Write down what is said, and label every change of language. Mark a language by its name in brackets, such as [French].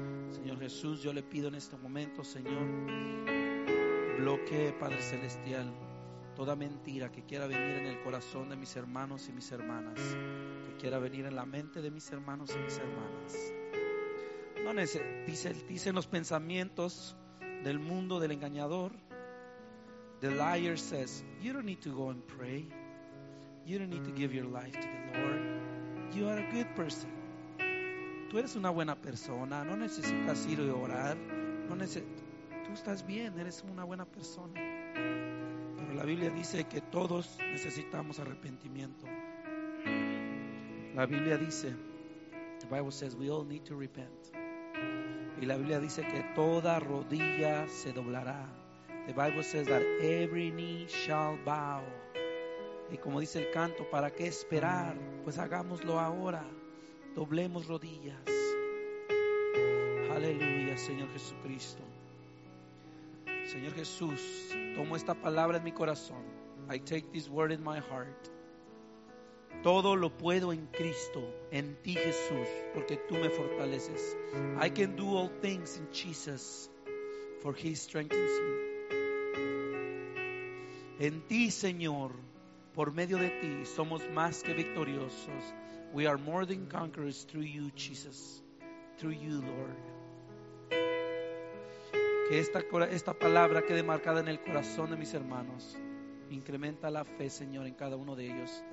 [Spanish] Señor Jesús, yo le pido en este momento, Señor, bloquee, Padre Celestial, toda mentira que quiera venir en el corazón de mis hermanos y mis hermanas, que quiera venir en la mente de mis hermanos y mis hermanas. No dicen los pensamientos del mundo del engañador. [English] The liar says, you don't need to go and pray. You don't need to give your life to the Lord. You are a good person. [Spanish] Tú eres una buena persona. No necesitas ir y orar. Tú estás bien. Eres una buena persona. Pero la Biblia dice que todos necesitamos arrepentimiento. La Biblia dice, [English] the Bible says, we all need to repent. [Spanish] Y la Biblia dice que toda rodilla se doblará. [English] The Bible says that every knee shall bow. [Spanish] Y como dice el canto, ¿para qué esperar? Pues hagámoslo ahora. Doblemos rodillas. Aleluya, Señor Jesucristo. Señor Jesús, tomo esta palabra en mi corazón. [English] I take this word in my heart. [Spanish] Todo lo puedo en Cristo, en ti Jesús, porque tú me fortaleces. [English] I can do all things in Jesus, for He strengthens me. [Spanish] En ti, Señor, por medio de ti, somos más que victoriosos. [English] We are more than conquerors through you, Jesus. Through you, Lord. [Spanish] Que esta palabra quede marcada en el corazón de mis hermanos. Incrementa la fe, Señor, en cada uno de ellos.